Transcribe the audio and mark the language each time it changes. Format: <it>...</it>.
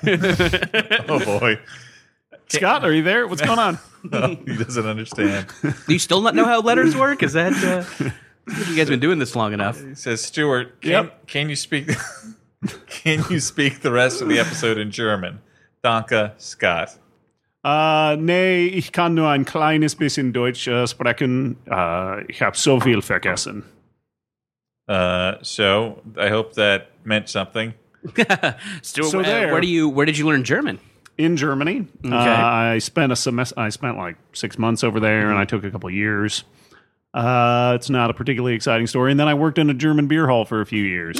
<en>Oh, boy. Scott, are you there? What's going on? No, he doesn't understand. Do you still not know how letters work? Is that... you guys have been doing this long enough. He says, Stuart, can you speak... can you speak the rest of the episode in German?</en> <de>Danke, Scott. Nee, ich kann nur ein kleines bisschen Deutsch sprechen. Ich habe so viel vergessen.</de> <en>So I hope that meant something. Stuart, where did you learn German? In Germany. Okay. I spent like 6 months over there and I took a couple of years. It's not a particularly exciting story. And then I worked in a German beer hall for a few years.</en>